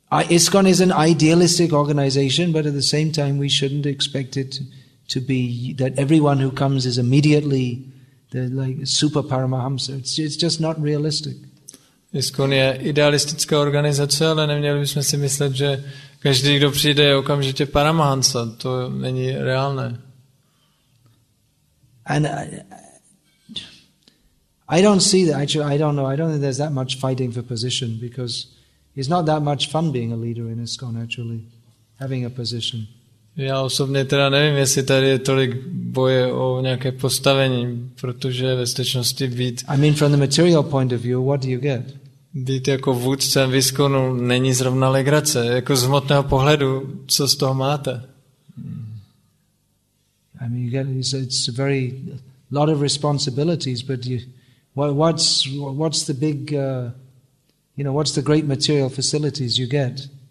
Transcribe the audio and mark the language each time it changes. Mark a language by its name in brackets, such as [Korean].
[English] ISKCON is an idealistic organization, but at the same time we shouldn't expect it to be that everyone who comes is immediately the like super paramahamsa. It's just not realistic. [Czech] ISKCON je idealistická organizace, ale neměli bychom si myslet, že každý, kdo přijde, je okamžitě paramahamsa. To není reálné. [English] And I don't see that. Actually, I don't know. I don't think there's that much fighting for position because it's not that much fun being a leader in ISKCON, actually, having a position. [Czech] Já osobně teda nevím, jestli tady je tolik boje o nějaké postavení, protože ve skutečnosti být... [English] I mean, from the material point of view, what do you get? [Czech] Být jako vůdcem v ISKCONu není zrovna legrace. Jako z hmotného pohledu, co z toho máte? [English] I mean, you get it's a very lot of responsibilities, but you... What's the big, you know, what's the great material facilities you get?